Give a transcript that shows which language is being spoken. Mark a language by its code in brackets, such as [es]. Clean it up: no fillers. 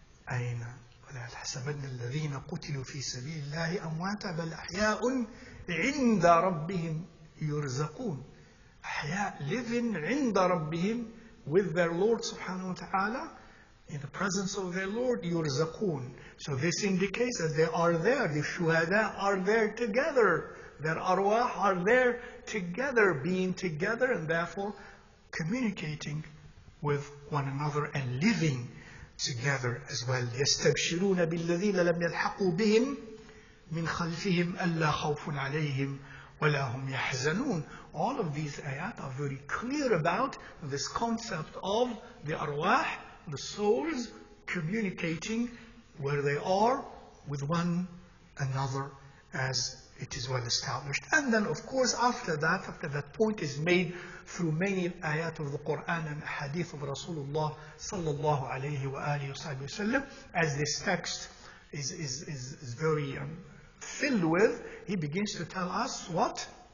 [ar] أين ولا تحسبن الذين قتلوا في سبيل الله أموات بل أحياء عند ربهم يرزقون أحياء living عند ربهم [en] with their Lord [ar] سبحانه وتعالى [en] in the presence of their Lord [ar] يرزقون. [en] So this indicates that they are there, the shuhada are there together, their arwah are there together, being together and therefore communicating with one another and living together as well. [ar] يستبشرون بالذين لم يلحقوا بهم من خلفهم ألا خوف عليهم ولا هم يحزنون. [en] All of these ayat are very clear about this concept of the arwah, the souls communicating where they are with one another, as it is well established. And then of course after that point is made through many ayat of the Quran and hadith of Rasulullah sallallahu alayhi wa alihi wa sallam, as this text is very filled with, he begins to tell us what?